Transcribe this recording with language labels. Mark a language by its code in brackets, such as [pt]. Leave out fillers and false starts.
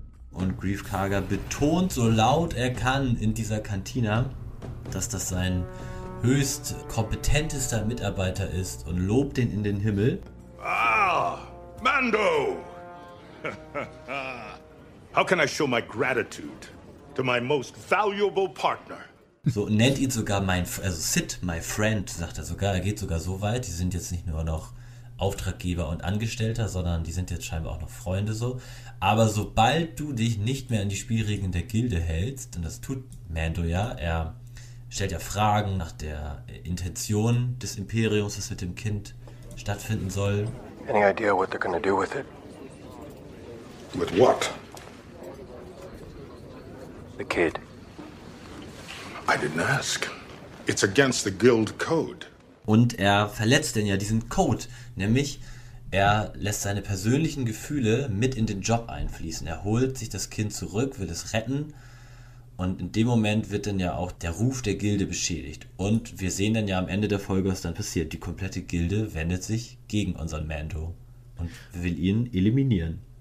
[de] Und Greef Karga betont so laut er kann in dieser Kantina, dass das sein höchst kompetentester Mitarbeiter ist, und lobt ihn in den Himmel. Ah! Mando! [en] How can I show my gratitude to my most valuable partner? [de] So nennt ihn sogar Sid, [en] my friend, [de] sagt er sogar. Er geht sogar so weit, die sind jetzt nicht nur noch Auftraggeber und Angestellter, sondern die sind jetzt scheinbar auch noch Freunde so. Aber sobald du dich nicht mehr an die Spielregeln der Gilde hältst, und das tut Mando ja, er stellt ja Fragen nach der Intention des Imperiums, das mit dem Kind stattfinden soll. [en] Any idea what they're gonna do with it? With what? The kid. I didn't ask. It's against the guild code. [de] Und er verletzt denn ja diesen Code, nämlich er lässt seine persönlichen Gefühle mit in den Job einfließen. Er holt sich das Kind zurück, will es retten, und in dem Moment wird dann ja auch der Ruf der Gilde beschädigt. Und wir sehen dann ja am Ende der Folge, was dann passiert. Die komplette Gilde wendet sich gegen unseren Mando und will ihn eliminieren.